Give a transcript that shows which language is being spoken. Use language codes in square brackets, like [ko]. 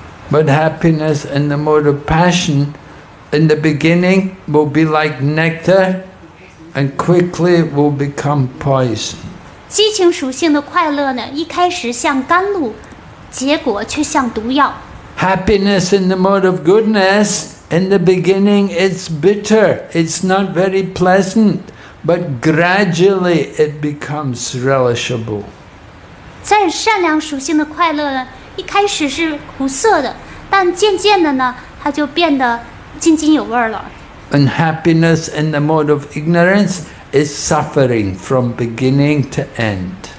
[en] But happiness in the mode of passion, in the beginning, will be like nectar, and quickly will become poison. [zh] 激情属性的快乐呢，一开始像甘露，结果却像毒药。 [en] Happiness in the mode of goodness, in the beginning, it's bitter, it's not very pleasant, but gradually it becomes relishable. [zh] 在善良属性的快乐呢，一开始是苦涩的，但渐渐的呢，它就变得津津有味了。 [en] And happiness in the mode of ignorance is suffering from beginning to end.